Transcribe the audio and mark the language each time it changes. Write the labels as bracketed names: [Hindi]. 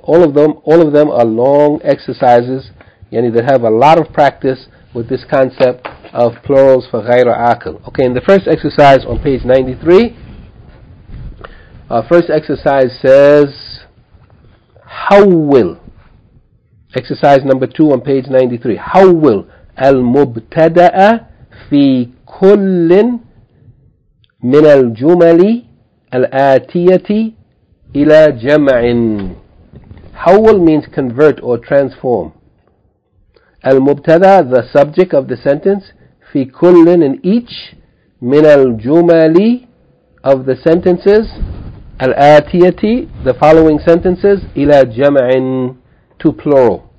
[English] All of them are long exercises, yani, that have a lot of practice with this concept of plurals for غير عاقل. Okay, in the first exercise on page 93, our first exercise says حول. Exercise number 2 on page 93. [Arabic] حول المبتدأ في كل من الجمل الآتية إلى جمع. [English] حول means convert or transform. المبتدأ, the subject of the sentence, في كل, in each, من الجمل, of the sentences, الآتيتي, the following sentences, إلى جمع, to plural.